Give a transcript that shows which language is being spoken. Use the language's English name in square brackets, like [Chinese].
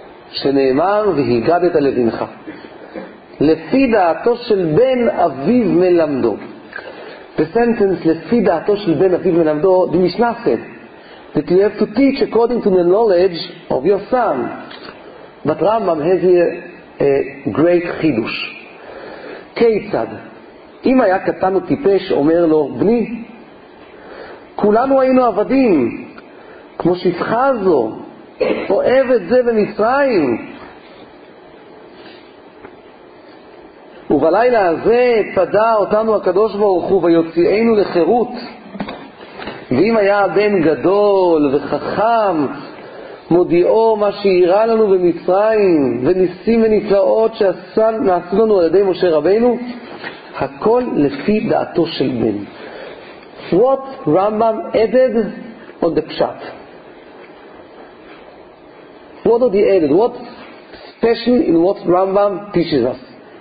[Hebrew] שנאמר והגדת לבנך לפי דעתו של בן אביו מלמדו. [English] The sentence [Hebrew] לפי דעתו של בן אביו מלמדו, [English] the משנה said that you have to teach according to the knowledge of your son. But Rambam has a great חידוש. [Hebrew] כיצד? אם היה קטן וטיפש, אומר לו בני, כולנו היינו עבדים כמו שפחה זו אוהב את זה במצרים, ובלילה הזה פדע אותנו הקדוש ברוך הוא ויוציאנו לחירות. ואם היה בן גדול וחכם מודיעו מה שאירה לנו במצרים וניסים ונפלאות שנעשו לנו על ידי משה רבינו, הכל לפי דעתו של בן. [English] What Rambam added on the pshat? What are the added? What's special in what Rambam teaches us? Teaches